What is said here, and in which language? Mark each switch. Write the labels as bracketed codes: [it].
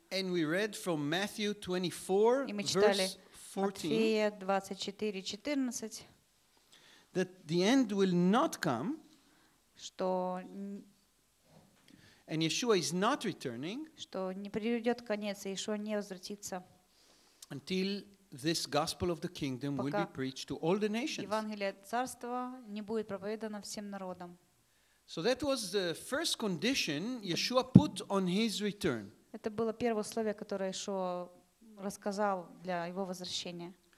[en] And we read from Matthew 24. [ru] И мы читали Матфея 24:14. [en] That the end will not come. [ru] Что [en] and Yeshua is not returning. [ru] Что не придет конец, и Иешуа не возвратится. [en] Until this gospel of the kingdom will be preached to all the nations. [ru] Евангелие царства не будет проповедано всем народам. [en] So that was the first condition Yeshua put on his return. [ru] Это было первое условие, которое Иешуа рассказал для его возвращения.